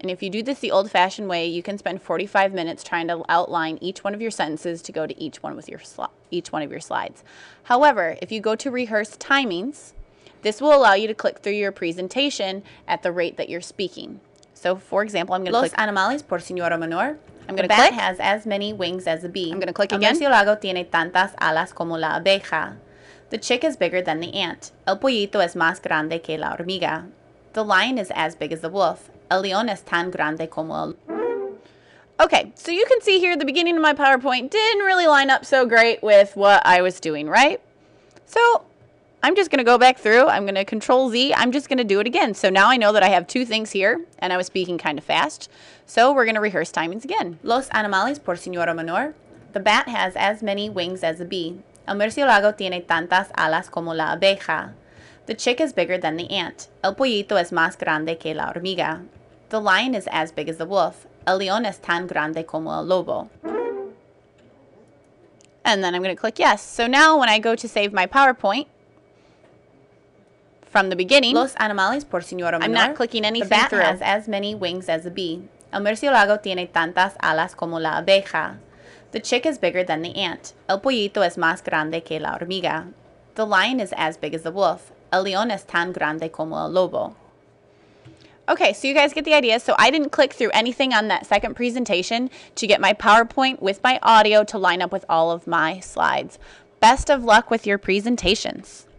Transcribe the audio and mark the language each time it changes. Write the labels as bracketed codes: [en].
[en] And if you do this the old-fashioned way, you can spend 45 minutes trying to outline each one of your sentences to go to each one with your slides. However, if you go to rehearse timings, this will allow you to click through your presentation at the rate that you're speaking. So, for example, I'm going to click. [es] Los animales, por señora menor. [en] I'm going to click. The bat has as many wings as a bee. I'm going to click again. [es] El murciélago tiene tantas alas como la abeja. [en] The chick is bigger than the ant. [es] El pollito es más grande que la hormiga. [en] The lion is as big as the wolf. [es] El león es tan grande como el. [en] Okay, so you can see here the beginning of my PowerPoint didn't really line up so great with what I was doing, right? So I'm just going to go back through. I'm going to control Z. I'm just going to do it again. So now I know that I have two things here, and I was speaking kind of fast. So we're going to rehearse timings again. [es] Los animales, por señora menor. [en] The bat has as many wings as a bee. [es] El murciélago tiene tantas alas como la abeja. [en] The chick is bigger than the ant. [es] El pollito es más grande que la hormiga. [en] The lion is as big as the wolf. [es] El león es tan grande como el lobo. [en] And then I'm going to click yes. So now when I go to save my PowerPoint, from the beginning, [es] los animales, por señora menor. [en] I'm not clicking anything through. The bat has as many wings as a bee. [es] El murciélago tiene tantas alas como la abeja. [en] The chick is bigger than the ant. [es] El pollito es más grande que la hormiga. [en] The lion is as big as the wolf. [es] El león es tan grande como el lobo. [en] Okay, so you guys get the idea. So I didn't click through anything on that second presentation to get my PowerPoint with my audio to line up with all of my slides. Best of luck with your presentations.